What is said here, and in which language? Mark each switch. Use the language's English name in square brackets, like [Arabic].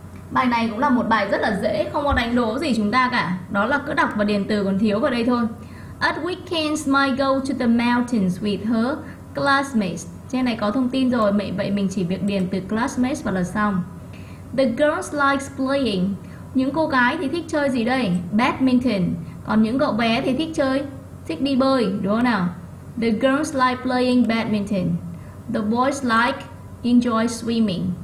[Vietnamese] Bài này cũng là một bài rất là dễ, không có đánh đố gì chúng ta cả. Đó là cứ đọc và điền từ còn thiếu vào đây thôi. [English] At weekends, my go to the mountains with her classmates. [Vietnamese] Trên này có thông tin rồi, vậy mình chỉ việc điền từ classmates vào là xong. [English] The girls like playing. [Vietnamese] Những cô gái thì thích chơi gì đây? Badminton. Còn những cậu bé thì thích chơi, thích đi bơi, đúng không nào? [English] The girls like playing badminton. The boys like enjoy swimming.